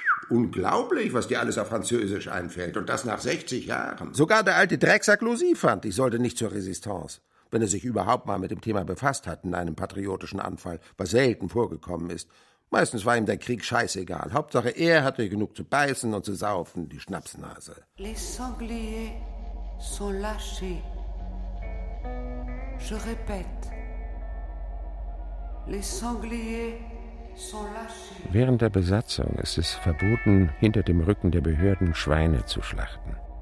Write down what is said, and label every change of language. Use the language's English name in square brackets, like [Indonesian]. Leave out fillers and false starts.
[German] Unglaublich, was dir alles auf Französisch einfällt, und das nach 60 Jahren. Sogar der alte Drecksack Lucy fand, ich sollte nicht zur Resistance. Wenn er sich überhaupt mal mit dem Thema befasst hat in einem patriotischen Anfall, was selten vorgekommen ist. Meistens war ihm der Krieg scheißegal. Hauptsache, er hatte genug zu beißen und zu saufen, die Schnapsnase. [French] Les sangliers sont lâchés. Je répète. Les sangliers sont lâchés. [German] Während der Besatzung ist es verboten, hinter dem Rücken der Behörden Schweine zu schlachten.